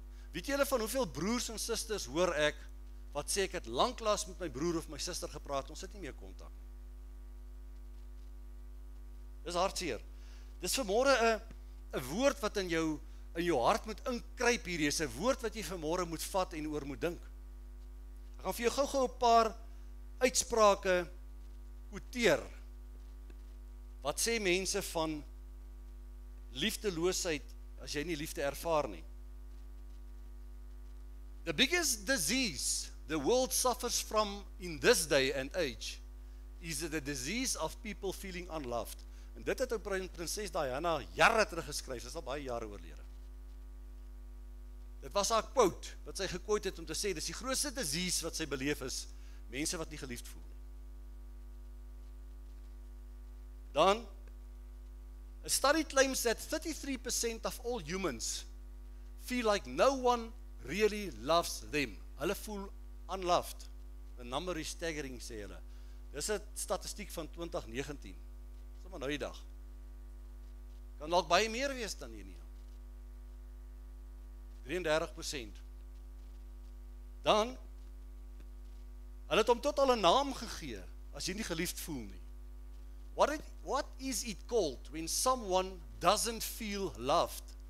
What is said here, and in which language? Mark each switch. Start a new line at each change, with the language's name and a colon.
Afrikaans: Weet julle van hoeveel broers en susters hoor ek wat sê ek het lanklaas met my broer of my suster gepraat, ons het nie meer kontak. Dis hartseer. Dis vanmôre 'n woord wat in jou hart moet inkruip hierdie, is 'n woord wat jy vanmôre moet vat en oor moet dink. Ek gaan vir jou gou-gou 'n paar uitsprake quoteer. Wat sê mense van liefdeloosheid as jy nie liefde ervaar nie?
English: The biggest disease the world suffers from in this day and age is the disease of people feeling unloved.
Afrikaans: En dit het ou prinses Diana jare terug geskryf, dit is al baie jare oorlede. Dit was haar quote wat sy gekwote het om te sê, dis die grootste disease wat sy beleef is, mense wat nie geliefd voel.
English: Dan, a study claims that 33% of all humans feel like no one really loves them.
Afrikaans: Hulle voel
English: unloved. The number is staggering,
Afrikaans: sê hulle. Dis 'n statistiek van 2019. Dis sommer nou die dag. Kan dalk baie meer wees dan hier nie. 33%. Dan, hulle het hom tot al 'n naam gegee, as jy nie geliefd voel nie.
English: What is it called when someone doesn't feel loved?